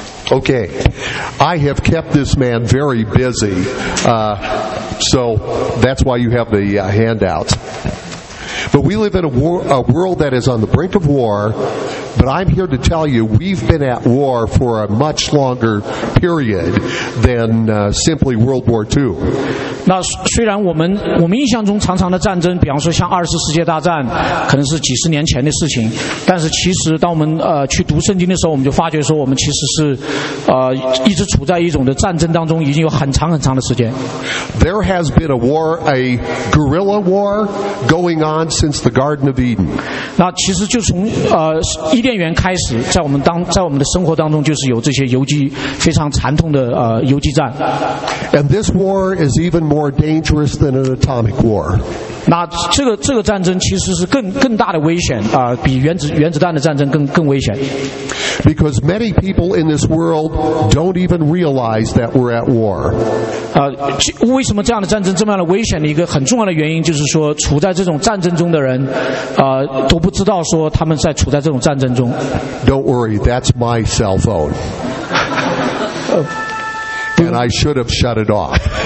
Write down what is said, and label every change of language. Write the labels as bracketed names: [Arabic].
[English] Okay, I have kept this man very busy, so that's why you have the handout. But we live in a world that is on the brink of war, but I'm here to tell you we've been at war for a much longer period than simply World War II. [Chinese] 那虽然我们印象中常常的战争，比方说像二次世界大战，可能是几十年前的事情，但是其实当我们去读圣经的时候，我们就发觉说我们其实是一直处在一种的战争当中，已经有很长很长的时间。 [English] There has been a guerrilla war going on since the Garden of Eden. [Chinese] 那其实就从伊甸园开始，在我们的生活当中，就是有这些游击非常惨痛的游击战。 [English] And this war is even more dangerous than an atomic war. [Chinese] 那这个战争其实是更大的危险比原子弹的战争更危险。 [English] Because many people in this world don't even realize that we're at war. [Chinese] 为什么这样的战争这么样的危险的一个很重要的原因，就是说处在这种战争中的人都不知道说他们在处在这种战争中。 [English] Don't worry, that's my cell phone. And I should have shut it off.